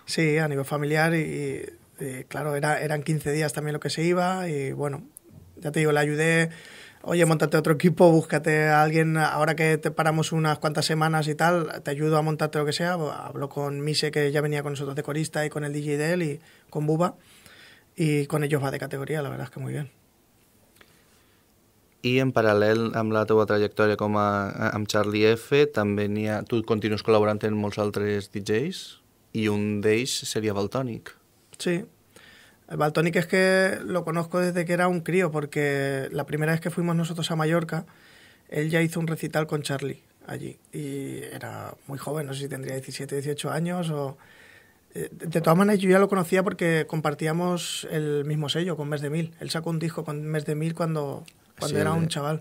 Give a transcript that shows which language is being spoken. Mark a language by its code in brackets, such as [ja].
[es] Sí, a nivel familiar y claro, eran 15 días también lo que se iba y bueno, ya te digo, le ayudé, oye, montate otro equipo, búscate a alguien, ahora que te paramos unas cuantas semanas y tal, te ayudo a montarte lo que sea, hablo con Mise, que ya venía con nosotros de corista y con el DJ de él y con Buba, y con ellos va de categoría, la verdad es que muy bien. [ca] I en paral·lel amb la teva trajectòria com a, amb Charlie F, també n'hi ha, tu continues col·laborant amb molts altres DJs i un d'ells seria Valtònic. [es] Sí, el Valtònic es que lo conozco desde que era un crío, porque la primera vez que fuimos nosotros a Mallorca, él ya hizo un recital con Charlie allí, y era muy joven, no sé si tendría 17, 18 años, o... De todas maneras, yo ya lo conocía porque compartíamos el mismo sello con Mes de Mil, él sacó un disco con Mes de Mil cuando sí, era un chaval.